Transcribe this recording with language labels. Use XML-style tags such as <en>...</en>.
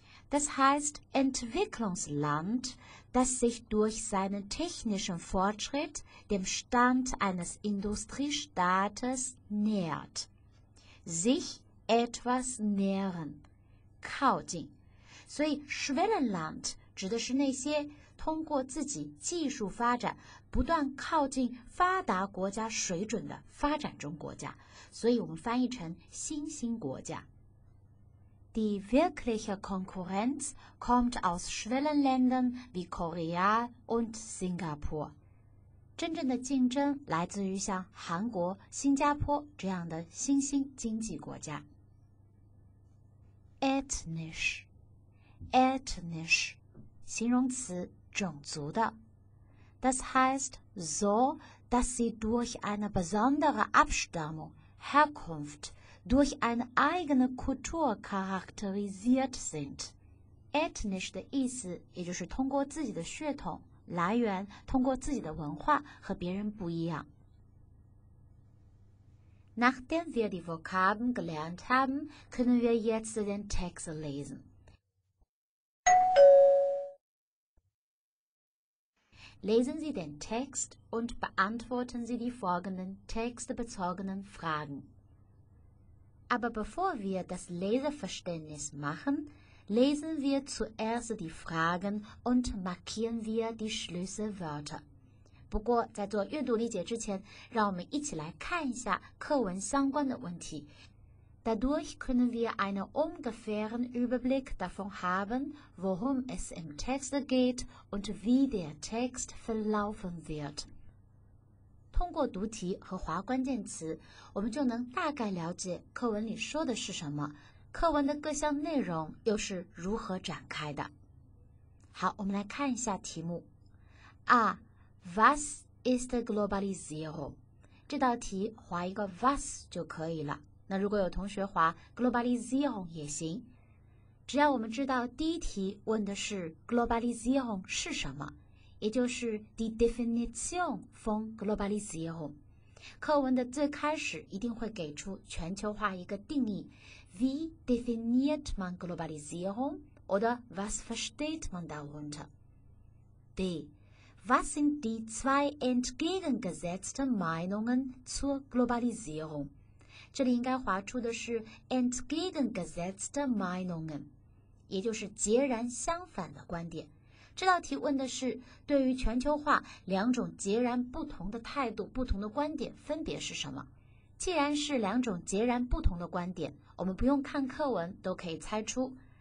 <de>Das heißt Entwicklungsland, das sich durch seinen technischen Fortschritt dem Stand eines Industriestaates nähert. Sich etwas nähern.</de> <zh>靠近。所以 Schwellenland 指的是那些通过自己技术发展不断靠近发达国家水准的发展中国家。所以我们翻译成新兴国家。</zh> <de>Die wirkliche Konkurrenz kommt aus Schwellenländern wie Korea und Singapur.</de> <zh>真正的竞争来自于像韩国、新加坡这样的新兴经济国家。 Ethnisch, ethnisch, 形容词种族的。</zh> <de>Das heißt so, dass sie durch eine besondere Abstammung, Herkunft,durch eine eigene Kultur charakterisiert sind.</de> <zh>Ethnisch 的意思也就是通过自己的血统、来源、通过自己的文化和别人不一样。</zh> <de>Nachdem wir die Vokabeln gelernt haben, können wir jetzt den Text lesen. Lesen Sie den Text und beantworten Sie die folgenden textbezogenen Fragen. Aber bevor wir das Leseverständnis machen, lesen wir zuerst die Fragen und markieren wir die Schlüsselwörter.</de> <zh>不过在做阅读理解之前，让我们一起来看一下课文相关的问题。</zh> <de>Dadurch können wir einen ungefähren Überblick davon haben, worum es im Text geht und wie der Text verlaufen wird.</de> <zh>通过读题和划关键词，我们就能大概了解课文里说的是什么，课文的各项内容又是如何展开的。好，我们来看一下题目。</zh> <de>啊，Was ist Globalisierung?</de> <zh>这道题划一个 was 就可以了。那如果有同学划 Globalisierung 也行，只要我们知道第一题问的是 Globalisierung 是什么，也就是</zh> <de>die Definition von Globalisierung。</de> <zh>课文的最开始一定会给出全球化一个定义 ，</zh> <de>Wie definiert man Globalisierung oder was versteht man darunter? B. Was sind die zwei entgegengesetzten Meinungen zur Globalisierung?</de> <zh>这里应该划出的是 entgegengesetzte Meinungen， 也就是截然相反的观点。这道题问的是对于全球化两种截然不同的态度、不同的观点分别是什么。既然是两种截然不同的观点，我们不用看课文都可以猜出。</zh>